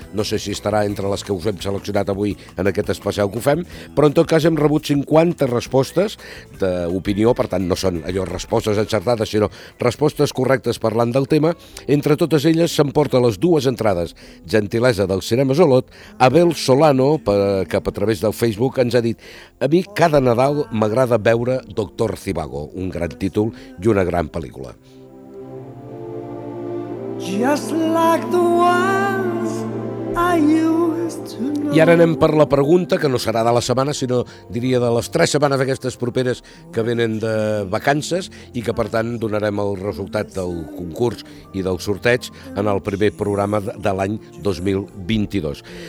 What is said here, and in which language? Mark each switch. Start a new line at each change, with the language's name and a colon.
Catalan: No sé si estarà entre les que us hem seleccionat avui en aquest especial que ho fem, però en tot cas hem rebut 50 respostes d'opinió, per tant no són allò respostes encertades, sinó respostes correctes parlant del tema. Entre totes elles s'emporta les dues entrades gentilesa del Cinema Zolot. Abel Solano, que a través del Facebook ens ha dit: a mi cada Nadal m'agrada veure Doctor Zhivago, un gran títol i una gran pel·lícula.
English: Just like the ones I used to know.
Catalan: I ara anem per la pregunta, que no serà de la setmana, sinó diria de les 3 setmanes aquestes properes que venen de vacances, i que per tant donarem el resultat del concurs i del sorteig en el primer programa de l'any 2022.